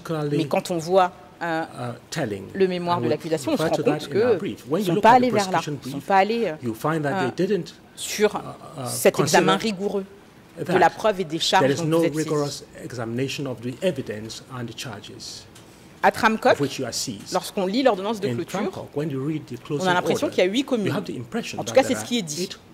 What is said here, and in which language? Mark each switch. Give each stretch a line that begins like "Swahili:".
French: Mais quand on voit le mémoire de l'accusation, on se rend compte qu'ils ne sont pas allés vers là. Ils ne sont pas allés sur cet examen rigoureux de la preuve et des charges dont vous êtes saisis.
English: Examination of the evidence and the charges.
French: À Tramcock, lorsqu'on lit l'ordonnance de clôture, on a l'impression qu'il y a 8 communes. En tout cas, c'est ce qui est dit.